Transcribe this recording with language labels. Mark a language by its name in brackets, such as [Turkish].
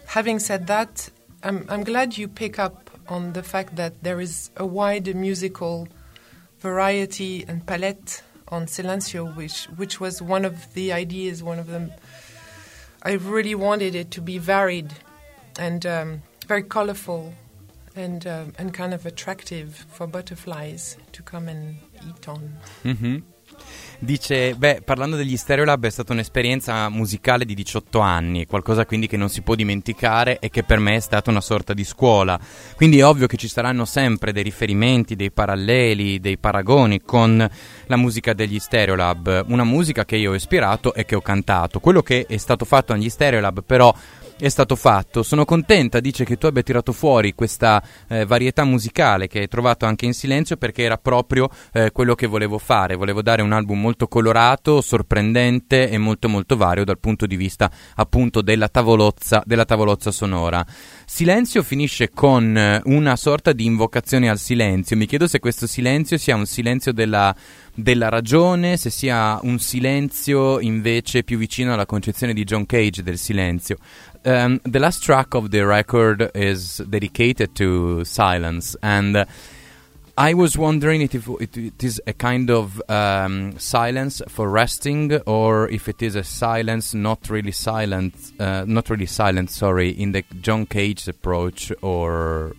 [English] Having said that, I'm glad you pick up on the fact that there is a wide musical variety and palette on Silenzio, which was one of the ideas, one of them. I really wanted it to be varied and very colorful and kind of attractive for butterflies to come and eat on. Mm-hmm. [Italian] Dice, parlando degli Stereolab è stata un'esperienza musicale di 18 anni, qualcosa quindi che non si può dimenticare e che per me è stata una sorta di scuola. Quindi è ovvio che ci saranno sempre dei riferimenti, dei paralleli, dei paragoni con la musica degli Stereolab, una musica che io ho ispirato e che ho cantato. Quello che è stato fatto agli Stereolab però è stato fatto. Sono contenta, dice, che tu abbia tirato fuori questa varietà musicale che hai trovato anche in silenzio, perché era proprio quello che volevo fare. Volevo dare un album molto colorato, sorprendente e molto molto vario dal punto di vista appunto della tavolozza sonora. Silenzio finisce con una sorta di invocazione al silenzio. Mi chiedo se questo silenzio sia un silenzio della ragione, se sia un silenzio invece più vicino alla concezione di John Cage del silenzio. [English] The last track of the record is dedicated to silence, and I was wondering if it is a kind of silence for resting, or if it is a silence not really silent, in the John Cage approach, or...